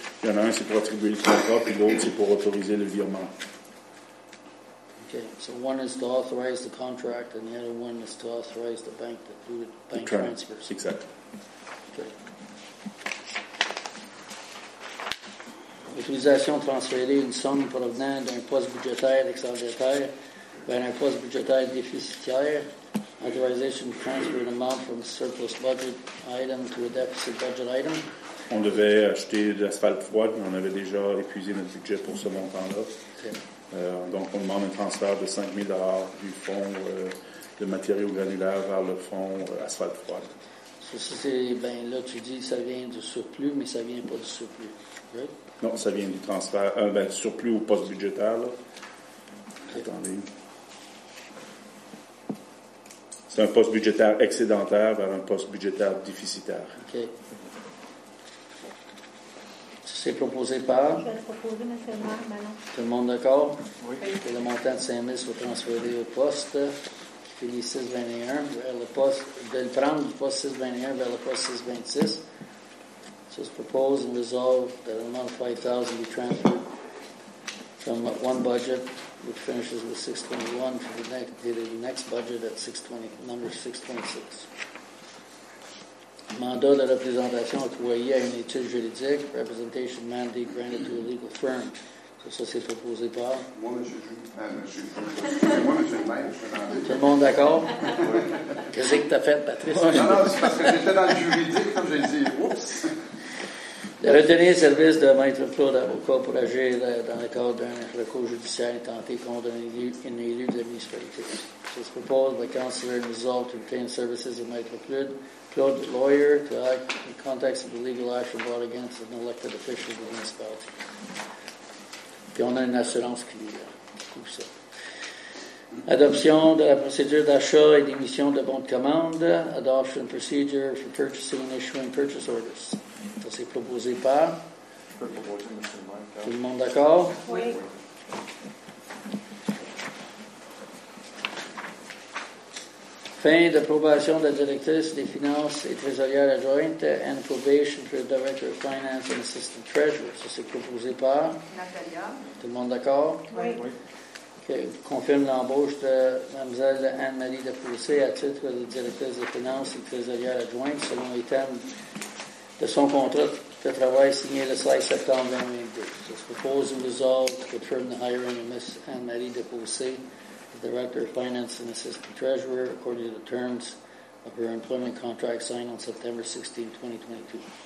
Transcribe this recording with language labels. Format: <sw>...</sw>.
<fr>Il y en a un, c'est pour attribuer le contrat, puis l'autre, c'est pour autoriser le virement.</fr> <en>Okay, so one is to authorize the contract, and the other one is to authorize the bank to do the bank transfer. Exactly. Okay.</en> <fr>Utilisation transférée, une somme provenant d'un poste budgétaire excédentaire vers un poste budgétaire déficitaire.</fr> <en>Authorization transfer an amount from surplus budget item to a deficit budget item.</en> <fr>On devait acheter de l'asphalte froide, mais on avait déjà épuisé notre budget pour ce montant-là. Okay. Donc, on demande un transfert de 5 000 $ du fonds de matériaux granulaires vers le fonds asphalte froide. Ça, c'est, ben, là, tu dis que ça vient du surplus, mais ça ne vient pas du surplus.</fr> <en>Right?</en> <fr>Non, ça vient du transfert, du surplus au poste budgétaire. Okay. Attendez. C'est un poste budgétaire excédentaire vers un poste budgétaire déficitaire. OK. C'est proposé par? Je vais proposer, M. le maire, maintenant. Tout le monde d'accord? Oui. Que le montant de 5 000 soit transféré au poste, fini 621, vers le poste, de le prendre du poste 621 vers le poste 626.</fr> <en>So it's proposed and resolved that an amount of 5,000 be transferred from one budget, which finishes with 621, for the next, to the next budget at 620, number 626.</en> <fr>Mandat de représentation octroyé à une étude juridique,</fr> <en>representation mandate granted to a legal firm.</en> <fr>Ça, c'est proposé par. Moi, M. le maire, je suis dans le. Tout le monde d'accord? Oui. Qu'est-ce que tu as fait, Patrice? Non, c'est parce que j'étais dans le juridique, comme j'ai dit. Oups! De retenir service de maître Claude Avocat pour agir dans le cadre d'un recours judiciaire intenté contre un élu de la municipalité. Ça se propose</fr> <en>by Councillor Nizal to retain services of maître Claude. Claude, lawyer, to act in context of the legal action brought against an elected official of the municipality.</en> <fr>Puis on a une assurance qui couvre ça. Adoption de la procédure d'achat et d'émission de bons de commande.</fr> <en>Adoption procedure for purchasing and issuing purchase orders.</en> <fr>Ça, c'est proposé par. Tout le monde d'accord? Oui. Fin d'approbation de la directrice des finances et trésorières adjointes</fr> <en>and probation for the director of finance and assistant treasurer.</en> <fr>Ça, c'est proposé par. Natalia. Tout le monde d'accord? Oui. Okay. Confirme l'embauche de Mlle Anne-Marie Dapoussé à titre de directrice des finances et trésorières adjointes selon les termes de son contrat de travail signé le 16 septembre 2022. Ça, c'est proposé</fr> <en>and resolved to confirm the hiring of Ms. Anne-Marie Dapoussé. Director of Finance and Assistant Treasurer, according to the terms of her employment contract signed on September 16, 2022.</en>